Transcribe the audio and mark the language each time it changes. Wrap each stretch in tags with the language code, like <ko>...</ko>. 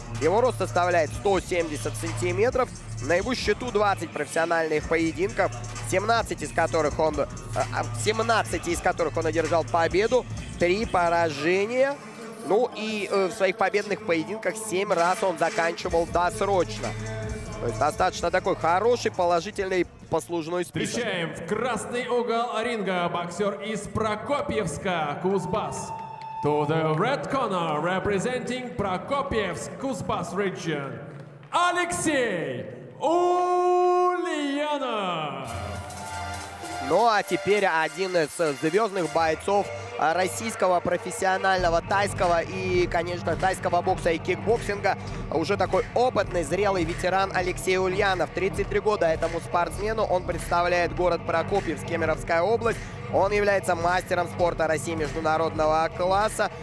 <ru>Его рост составляет 170 сантиметров. На его счету 20 профессиональных поединков, 17 из которых он одержал победу, 3 поражения. Ну и в своих победных поединках 7 раз он заканчивал досрочно. То есть достаточно такой хороший, положительный послужной список. Встречаем в красный угол ринга боксер из Прокопьевска Кузбасс.</ru> <en>To the red corner, representing Prokopyevsk, Kuzbass region, Алексей Ульянов.</en> <ru>Ну а теперь один из звездных бойцов российского профессионального тайского и, конечно, тайского бокса и кикбоксинга. Уже такой опытный, зрелый ветеран Алексей Ульянов. 33 года этому спортсмену. Он представляет город Прокопьевск, Кемеровская область. Он является мастером спорта России международного класса.</ru>